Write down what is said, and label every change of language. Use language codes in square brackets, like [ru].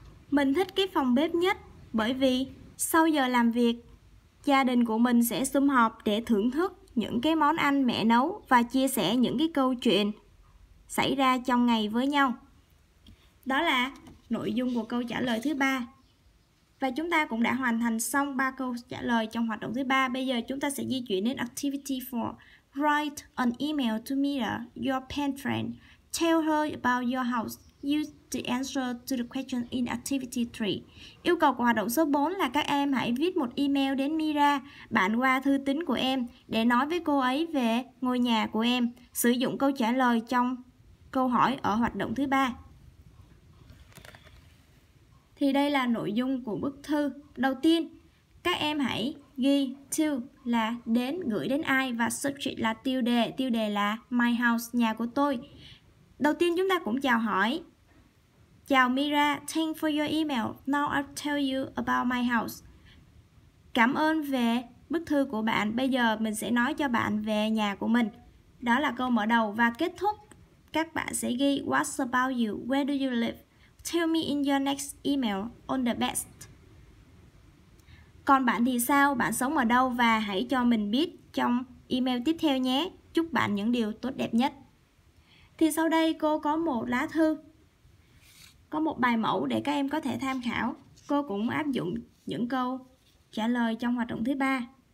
[vi] Mình thích cái phòng bếp nhất bởi vì sau giờ làm việc, gia đình của mình sẽ sum họp để thưởng thức những cái món ăn mẹ nấu và chia sẻ những cái câu chuyện xảy ra trong ngày với nhau. Đó là nội dung của câu trả lời thứ 3. Và chúng ta cũng đã hoàn thành xong 3 câu trả lời trong hoạt động thứ 3. Bây giờ chúng ta sẽ di chuyển đến activity 4. [en] Write an email to Mira, your pen friend. Tell her about your house. Use the answer to the question in activity 3. [vi] Yêu cầu của hoạt động số 4 là các em hãy viết một email đến Mira, bạn qua thư tín của em, để nói với cô ấy về ngôi nhà của em. Sử dụng câu trả lời trong câu hỏi ở hoạt động thứ 3. Thì đây là nội dung của bức thư. Đầu tiên, các em hãy ghi to là đến, gửi đến ai, và subject là tiêu đề. Tiêu đề là my house, nhà của tôi. Đầu tiên chúng ta cũng chào hỏi. Chào [en] Mira, thanks for your email. Now I'll tell you about my house. [vi] Cảm ơn về bức thư của bạn. Bây giờ mình sẽ nói cho bạn về nhà của mình. Đó là câu mở đầu. Và kết thúc, các bạn sẽ ghi [en] what's about you, where do you live. Tell me in your next email on the best. [vi] Còn bạn thì sao? Bạn sống ở đâu? Và hãy cho mình biết trong email tiếp theo nhé. Chúc bạn những điều tốt đẹp nhất. Thì sau đây cô có một lá thư, có một bài mẫu để các em có thể tham khảo. Cô cũng áp dụng những câu trả lời trong hoạt động thứ 3.